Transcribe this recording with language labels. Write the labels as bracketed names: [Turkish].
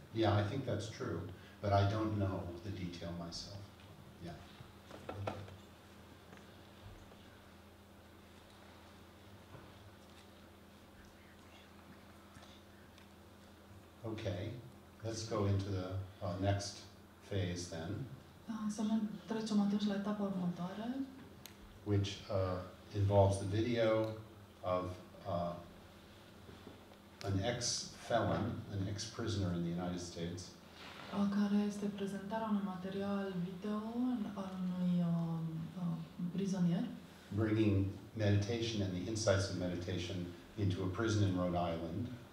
[English] Yeah, I think that's true, but I don't know the detail myself. Yeah. Okay, let's go into the next phase then. [Romanian] Să ne trecem atunci la etapa următoare. [English] Which involves the video of an ex-felon, an ex-prisoner in the United States. [Romanian] Care este prezentarea unui material video al unui prizonier. [English] Bringing meditation and the insights of meditation into a prison in Rhode Island.